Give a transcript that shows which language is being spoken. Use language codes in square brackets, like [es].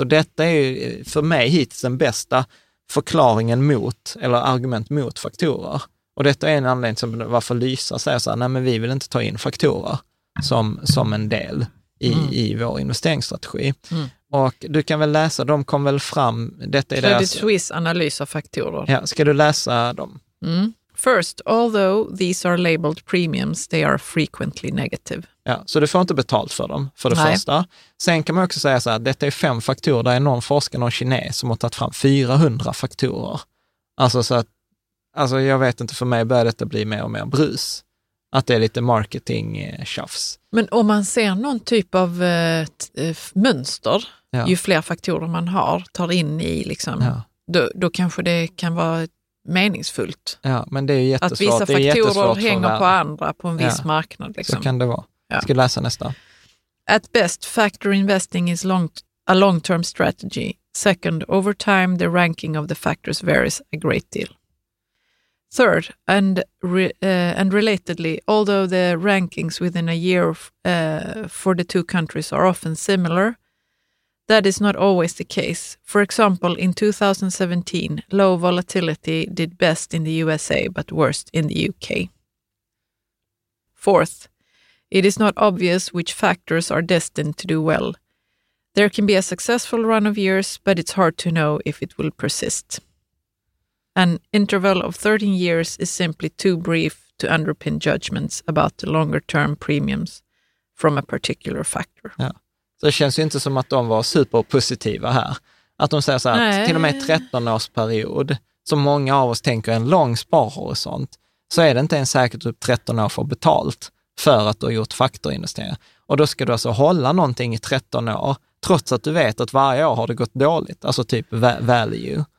[sv] Och detta är ju för mig hittills den bästa förklaringen mot, eller argument mot faktorer. Och detta är en anledning till varför Lysa säger så här, nej men vi vill inte ta in faktorer som en del i vår investeringsstrategi. Och du kan väl läsa, de kom väl fram, detta är Credit Suisse analys av faktorer. Ja, ska du läsa dem? Mm. [en] First, although these are labeled premiums, they are frequently negative. [sv] Ja, så du får inte betalt för dem, för det Nej. Första. Sen kan man också säga så här, detta är fem faktorer. Det är någon forskare, någon kines som har tagit fram 400 faktorer. Alltså, så att, alltså jag vet inte, för mig börjar detta bli mer och mer brus. Att det är lite marketing-tjafs. Men om man ser någon typ av mönster, ju fler faktorer man har, tar in i, liksom, då kanske det kan vara meningsfullt. Ja, men det är ju jättesvårt. Att vissa faktorer hänger på andra på en viss marknad. Liksom. Så kan det vara. Ja. Ska läsa nästa. [en] At best, factor investing is a long-term strategy. Second, over time the ranking of the factors varies a great deal. Third, and relatedly, although the rankings within a year for the two countries are often similar, that is not always the case. For example, in 2017, low volatility did best in the USA but worst in the UK. Fourth, it is not obvious which factors are destined to do well. There can be a successful run of years, but it's hard to know if it will persist. An interval of 13 years is simply too brief to underpin judgments about the longer-term premiums from a particular factor. [sv] Ja. Så det känns ju inte som att de var superpositiva här. Att de säger så här, att till och med 13 års period, som många av oss tänker en lång sparhorisont, så är det inte ens säkert att 13 år får betalt för att du har gjort faktorinvesteringar. Och då ska du alltså hålla någonting i 13 år, trots att du vet att varje år har det gått dåligt, alltså typ value.